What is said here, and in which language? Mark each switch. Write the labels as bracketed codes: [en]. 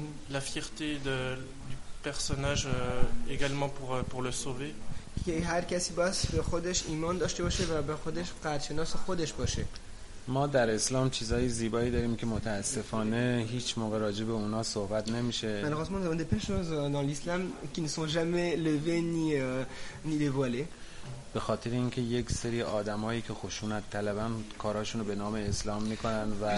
[fr] La fierté du personnage également pour le sauver. [fa] Que هر کسی باید به خودش ایمان داشته باشه و به خودش قدرشناس خودش باشه. ما در اسلام چیزای زیبایی داریم که متاسفانه هیچ موقع راجع به اونا صحبت نمیشه. [fr] Malheureusement, nous avons des belles choses dans l'islam qui ne sont jamais levées ni dévoilées. [fa] به خاطر اینکه یک سری آدمایی که خشونت طلبن کاراشونو به نام اسلام میکنن و